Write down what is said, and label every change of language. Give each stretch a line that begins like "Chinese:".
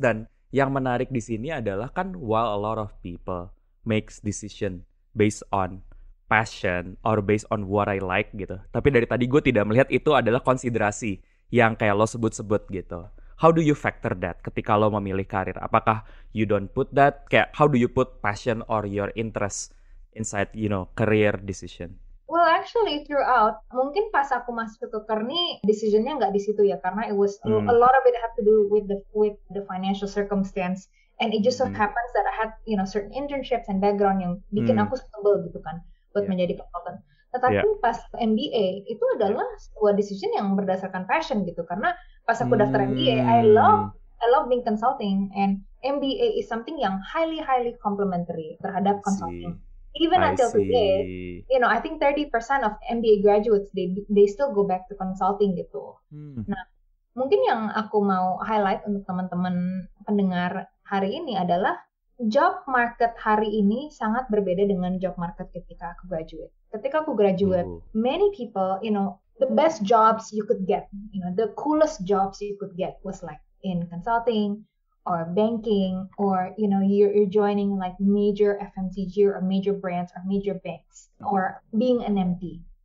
Indonesian: Dan yang menarik di sini adalah kan
English: while a lot of people makes decision based on passion or based on what I like
Indonesian: gitu, tapi dari tadi gue tidak melihat itu adalah konsiderasi yang kayak lo sebut-sebut gitu.
English: How do you factor that
Indonesian: ketika lo memilih karir? Apakah
English: you don't put that? Kayak, how do you put passion or your interest inside, you know, career decision? Well, actually, throughout,
Indonesian: mungkin pas aku masuk ke Kearney, decision-nya nggak di situ ya, karena
English: it was a lot of it had to do with the financial circumstance. And it just so happens that I had, you know, certain internships and background
Indonesian: yang bikin aku
English: stumble
Indonesian: gitu kan, buat menjadi
English: consultant.
Indonesian: Tetapi pas MBA, itu adalah sebuah decision yang berdasarkan passion gitu, karena pas aku daftar MBA,
English: I love being consulting and MBA is something
Indonesian: yang
English: highly highly complementary
Indonesian: terhadap consulting.
English: Even until today, you know, I think 30% of MBA graduates they still go back to consulting
Indonesian: gitu. Nah, mungkin yang aku mau highlight untuk teman-teman pendengar hari ini adalah
English: job market
Indonesian: hari ini sangat berbeda dengan job market ketika aku
English: graduate.
Indonesian: Ketika aku graduate,
English: many people, you know, the best jobs you could get, you know, the coolest jobs you could get was like in consulting or banking or, you know, you're joining like major FMCG or major brands or major banks or being an MD.